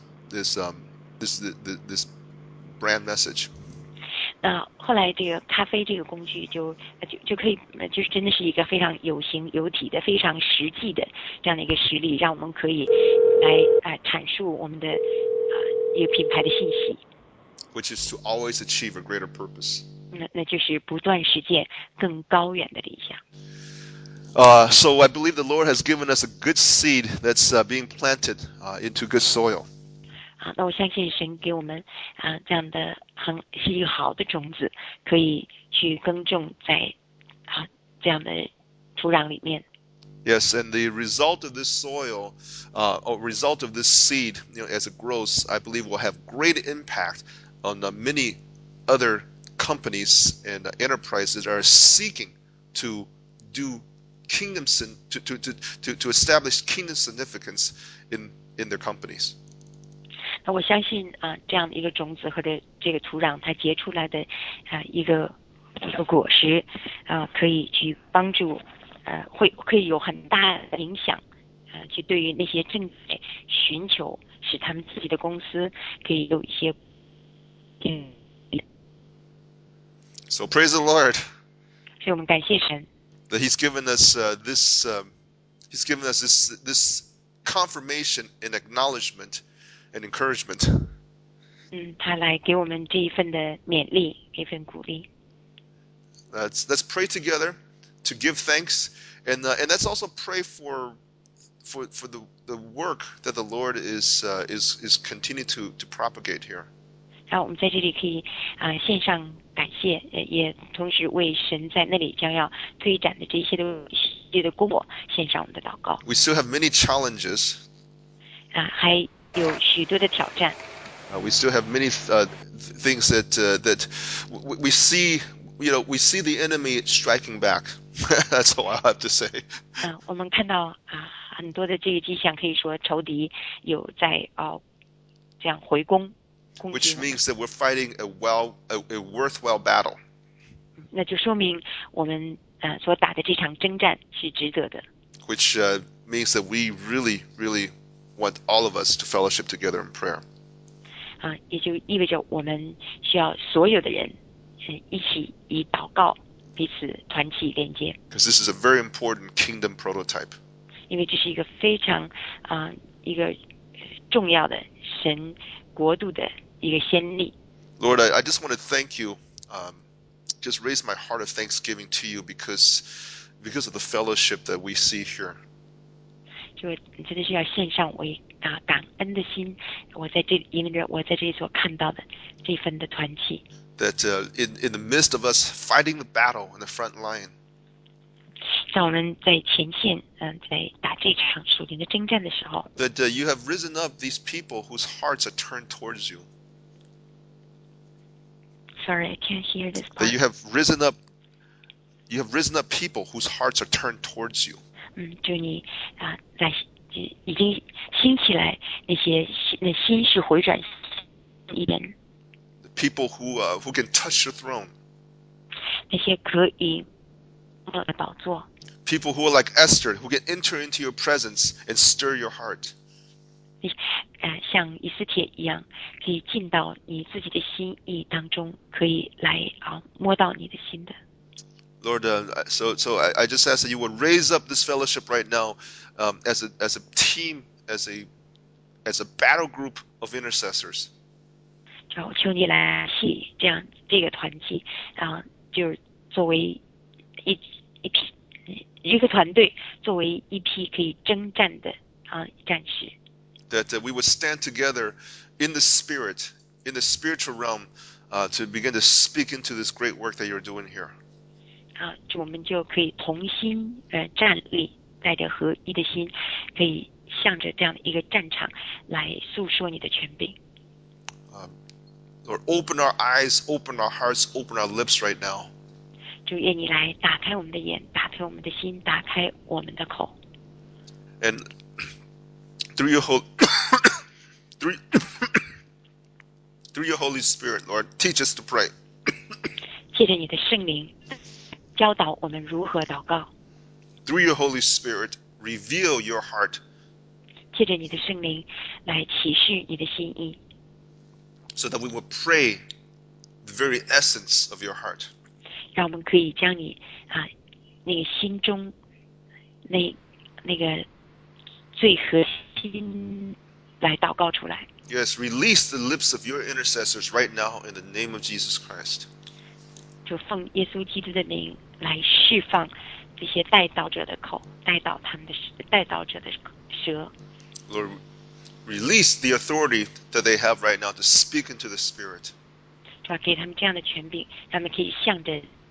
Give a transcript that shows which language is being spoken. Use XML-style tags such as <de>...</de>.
<en>This brand message.</en> <zh>那后来这个咖啡这个工具就可以就是真的是一个非常有形有体的非常实际的这样的一个实例，让我们可以来阐述我们的一个品牌的信息。</zh> <en>Which is to always achieve a greater purpose.</en> <zh>那就是不断实践更高远的理想。</zh> <en>So I believe the Lord has given us a good seed that's being planted into good soil.</en> <zh>那我相信神给我们这样的很是一个好的种子，可以去耕种在这样的土壤里面。</zh> <en>Yes, and the result of this result of this seed, you know, as it grows, I believe will have great impact on the many other companies and enterprises that are seeking to do. Kingdom to establish kingdom significance in their companies.</en> <zh>那我相信这样的一个种子和这个土壤，它结出来的一个果实可以去帮助会可以有很大影响去对于那些正在寻求使他们自己的公司可以有一些</zh> <en>So praise the Lord.</en> <zh>所以我们感谢神。</zh> <en>That he's given us this—he's given us this confirmation and acknowledgement and encouragement.</en> <zh>他来给我们这一份的勉励，一份鼓励。</zh> <en>Let's pray together to give thanks, and let's also pray for the work that the Lord is continuing to propagate here.</en> <zh>好，我们在这里可以献上感谢，也同时为神在那里将要推展的这些的工作献上我们的祷告。</zh> <en>We still have many challenges.</en> <zh>还有许多的挑战。</zh> <en>We still have many things that we see, you know, we see the enemy striking back. That's all I have to say.</en> <zh>我们看到很多的这个迹象，可以说仇敌有在这样回攻。</zh> <en>Which means that we're fighting a worthwhile battle.</en> <zh>那就说明我们所打的这场征战是值得的。</zh> <en>Which means that we really, really want all of us to fellowship together in prayer.</en> <zh>也就意味着我们需要所有的人一起以祷告彼此团契连接。</zh> <en>Because this is a very important kingdom prototype.</en> <zh>因为这是一个非常一个重要的神。</zh> <en>Lord, I just want to thank you, just raise my heart of thanksgiving to you because of the fellowship that we see here.</en> <zh>就真的是要献上我感恩的心，我在这里，因为我在这里所看到的这份的团契。</zh> <en>That in the midst of us fighting the battle in the front line.</en> <zh>在我们在前线，在打这场属灵的征战的时候</zh> <en>，that you have risen up these people whose hearts are turned towards you. Sorry, I can't hear this. That you have risen up people whose hearts are turned towards you.</en> <zh>就你在已经兴起来那心是回转一边。</zh> <en>The people who can touch your throne.</en> <zh>那些可以摸的宝座。</zh> <en>People who are like Esther, who can enter into your presence and stir your heart.</en> <zh>像以斯帖一样，可以进到你自己的心意当中，可以来摸到你的心的。</zh> <en>Lord, so I just ask that you would raise up this fellowship right now, as a team, as a battle group of intercessors.</en> <zh>就求你来起这样这个团契，就是作为一批。一个团队作为一批可以征战的战士。</zh> <en>That we would stand together in the spirit, in the spiritual realm, to begin to speak into this great work that you're doing here.</en> <zh>我们就可以同心站立，带着合一的心，可以向着这样一个战场来诉说你的权柄。</zh> <en>Lord, open our eyes, open our hearts, open our lips right now.</en> <zh>就愿你来打开我们的眼，打开我们的心，打开我们的口。</zh> <en>And through your Holy Spirit, Lord, teach us to pray.</en> <zh>借着你的圣灵，教导我们如何祷告。</zh> <en>Through your Holy Spirit, reveal your heart.</en> <zh>借着你的圣灵来启示你的心意。</zh> <en>So that we will pray the very essence of your heart.</en> <zh>让我们可以将你那个心中那个最核心来祷告出来。</zh> <en>Yes, release the lips of your intercessors right now in the name of Jesus Christ.</en> <zh>就奉耶稣基督的名来释放这些代祷者的口，代祷他们的代祷者的舌。</zh> <en>Lord, release the authority that they have right now to speak into the Spirit.</en> <zh>就给他们这样的权柄，让他们可以向着。</zh>